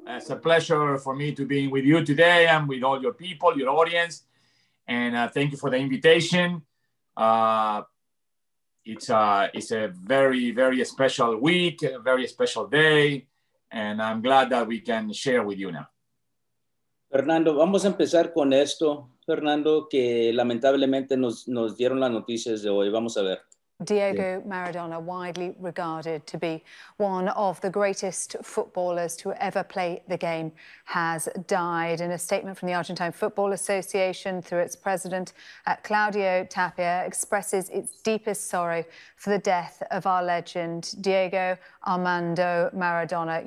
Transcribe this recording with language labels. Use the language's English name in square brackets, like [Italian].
[English] It's a pleasure for me to be with you today and with all your people, your audience. And thank you for the invitation. It's a very, very special week, a very special day. And I'm glad that we can share with you now. [Spanish] Fernando, vamos a empezar con esto. Fernando, que lamentablemente nos dieron las noticias de hoy. Vamos a ver. [English] Diego Maradona, widely regarded to be one of the greatest footballers to ever play the game, has died. In a statement from the Argentine Football Association through its president, Claudio Tapia, expresses its deepest sorrow for the death of our legend, Diego Armando Maradona.